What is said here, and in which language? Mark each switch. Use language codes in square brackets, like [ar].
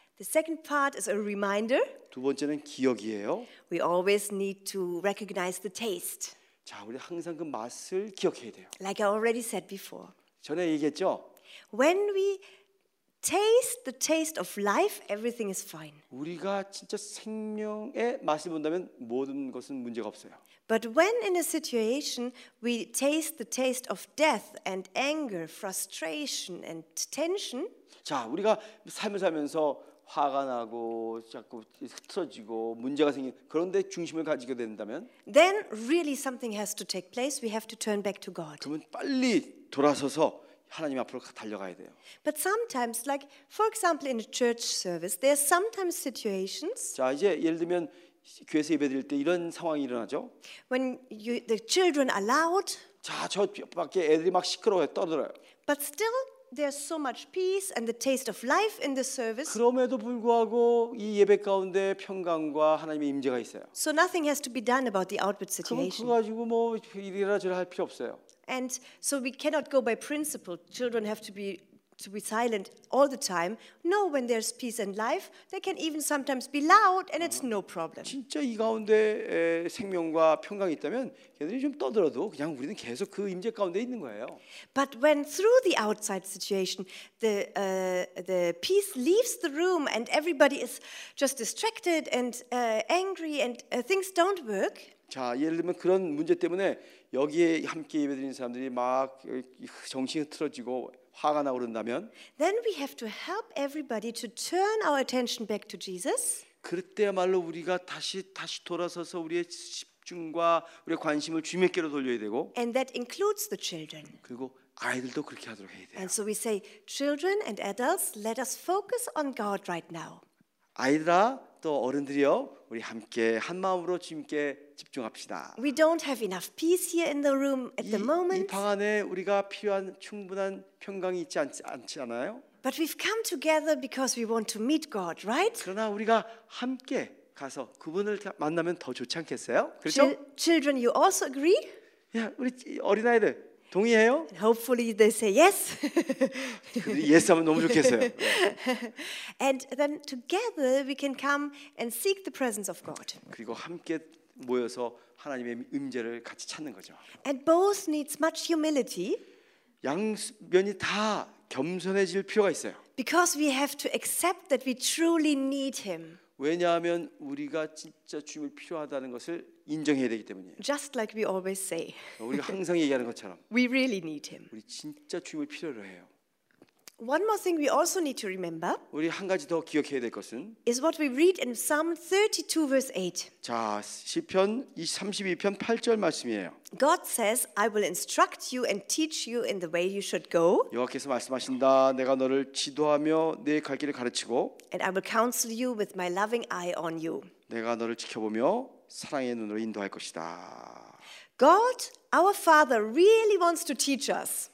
[en] The second part is a reminder. [ko] 두 번째는 기억이에요. [en] We always need to recognize the taste. [ko] 자, 우리 항상 그 맛을 기억해야 돼요. [en] Like I already said before. [ko] 전에 얘기했죠? [en] When we taste the taste of life, everything is fine. [ko] 우리가 진짜 생명의 맛을 본다면 모든 것은 문제가 없어요. [en] But when in a situation we taste the taste of death and anger, frustration and tension. [ko] 자, 우리가 삶을 살면서 화가 나고 자꾸 흐트러지고 문제가 생긴 그런데 중심을 가지게 된다면 [en] Then really something has to take place. We have to turn back to God. [ko] 그러면 빨리 돌아서서 하나님 앞으로 달려가야 돼요. [en] But sometimes, like for example, in a church service, there are sometimes situations. [ko] 자 이제 예를 들면 교회에서 예배드릴 때 이런 상황이 일어나죠. [en] When the children are loud. [ko] 자 저 밖에 애들이 막 시끄러워요, 떠들어요. [en] But still. There's so much peace and the taste of life in the service. [ko] 그럼에도 불구하고 이 예배 가운데 평강과 하나님의 임재가 있어요. [en] So nothing has to be done about the outward situation. [ko] 그거 가지고 뭐 이리라 저리라 할 필요 없어요. [en] And so we cannot go by principle. Children have to be silent all the time. No, when there's peace and life, they can even sometimes be loud and it's no problem. [ko] 진짜 이 가운데 생명과 평강이 있다면 걔들이 좀 떠들어도 그냥 우리는 계속 그 임재 가운데 있는 거예요. [en] But when through the outside situation, the peace leaves the room and everybody is just distracted and angry and things don't work. [ko] 자, 예를 들면 그런 문제 때문에 여기에 함께 예배드리는 사람들이 막 정신이 흐트러지고 화가 나 그런다면 [en] Then we have to help everybody to turn our attention back to Jesus. [ko] 그때야말로 우리가 다시 돌아서서 우리의 집중과 우리의 관심을 주님께로 돌려야 되고 [en] And that includes the children. [ko] 그리고 아이들도 그렇게 하도록 해야 돼요. [en] And so we say children and adults let us focus on God right now. [ko] 아이들아 또 어른들이요 우리 함께 한 마음으로 주님께 집중합시다. [en] We don't have enough peace here in the room at the moment. [ko] 이 방 안에 우리가 필요한 충분한 평강이 있지 않잖아요. [en] But we've come together because we want to meet God, right? [ko] 그러나 우리가 함께 가서 그분을 만나면 더 좋지 않겠어요? 그렇죠? [en] Children, you also agree? [ko] 야, 우리 어린 아이들 동의해요? [en] And hopefully they say yes. [ko] 그들이 yes 하면 너무 좋겠어요. [en] And then together we can come and seek the presence of God. [ko] 그리고 함께 모여서 하나님의 임재를 같이 찾는 거죠. [en] And both needs much humility. [ko] 양면이 다 겸손해질 필요가 있어요. [en] Because we have to accept that we truly need him. [ko] 왜냐하면 우리가 진짜 주님을 필요하다는 것을 인정해야 되기 때문이에요. [en] Just like we always say. [ko] 우리가 항상 얘기하는 것처럼. [en] We really need him. [ko] 우리 진짜 주님을 필요로 해요. [en] One more thing we also need to remember. [ko] 우리 한 가지 더 기억해야 될 것은 [en] is what we read in Psalm 32 verse 8. [ko] 자, 시편 32편 8절 말씀이에요. [en] God says, I will instruct you and teach you in the way you should go. [ko] 여호와께서 말씀하신다. 내가 너를 지도하며 네 갈 길을 가르치고 [en] and I will counsel you with my loving eye on you. [ko] 내가 너를 지켜보며 사랑의 눈으로 인도할 것이다. [en] God, our Father really wants to teach us.